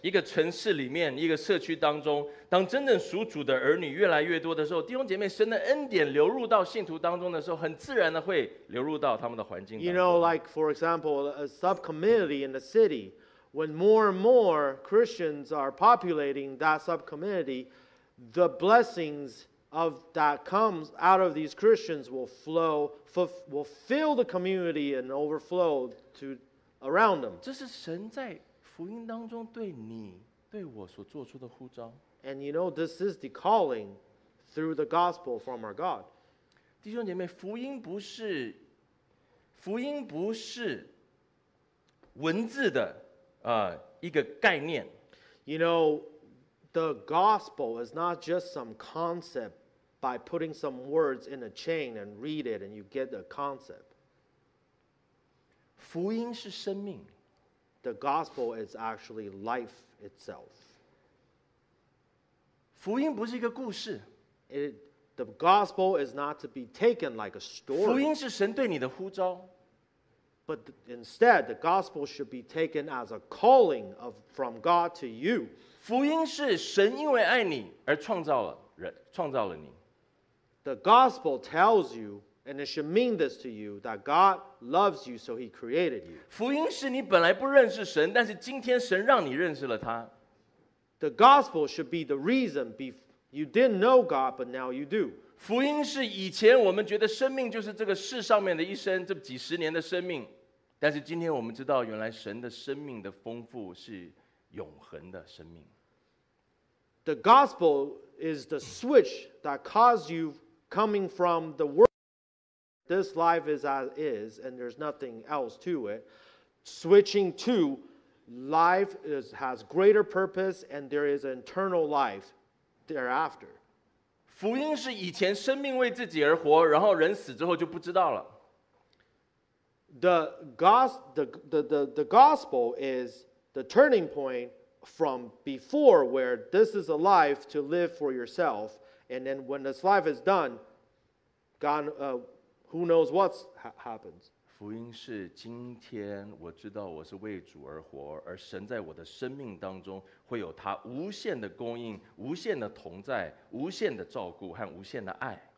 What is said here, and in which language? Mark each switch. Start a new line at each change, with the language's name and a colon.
Chinese: 一个城市里面，一个社区当中，当真正属主的儿女越来越多的时候，弟兄姐妹，神的恩典流入到信徒当中的时候，很自然的会流入到他们的环境当中。
English: You know, like for example, a subcommunity in the city, when more and more Christians are populating that subcommunity, the blessings of that comes out of these Christians will fill the community and overflow to. Around them.
Chinese: 这是神在福音当中对你对我所做出的呼召。
English: And you know, this is the calling through the gospel from our God.
Chinese: 弟兄姐妹，福音不是文字的一个概念。
English: You know, the gospel is not just some concept by putting some words in a chain and read it and you get the concept.
Chinese: 福音是生命。
English: The gospel is actually life itself.
Chinese: 福音不是一个故事。
English: The gospel is not to be taken like a story.
Chinese: 福音是神对你的呼召。
English: But instead, the gospel should be taken as a calling from God to you.
Chinese: 福音是神因为爱你而创造了你。
English: The gospel tells you,And it should mean this to you that God loves you, so He created you.
Chinese: 福音是你本来不认识神，但是今天神让你认识了他。
English: The gospel should be the reason you didn't know God, but now you do.
Chinese: 福音是以前我们觉得生命就是这个世上面的一生，这几十年的生命，但是今天我们知道，原来神的生命的丰富是永恒的生命。
English: The gospel is the switch that caused you coming from the world. This life is as is, and there's nothing else to it. Switching to life has greater purpose, and there is an eternal life thereafter.
Chinese: 福音是以前生命为自己而活，然后人死之后就不知道了。
English: The gospel is the turning point from before where this is a life to live for yourself, and then when this life is done, Who knows what happens?
Chinese: 福音是今天我知道我是为主而活，而神在我的生命当中会有他无限的供应、无限的同在、无限的照顾和无限的爱。